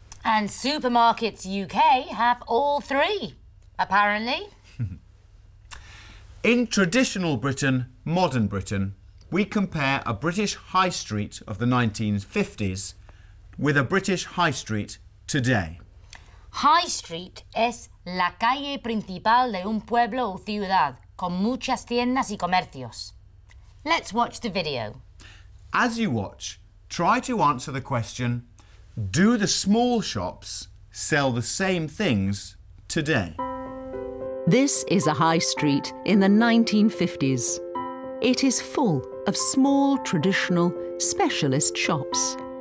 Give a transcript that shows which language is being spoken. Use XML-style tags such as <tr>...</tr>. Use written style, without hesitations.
<en>And Supermarkets UK have all three, apparently. In traditional Britain, modern Britain, we compare a British high street of the 1950s with a British high street today.</en> <es>High street es la calle principal de un pueblo o ciudad, con muchas tiendas y comercios.</es> <en>Let's watch the video. As you watch, try to answer the question, do the small shops sell the same things today? This is a high street in the 1950s. It is full of small, traditional, specialist shops.</en>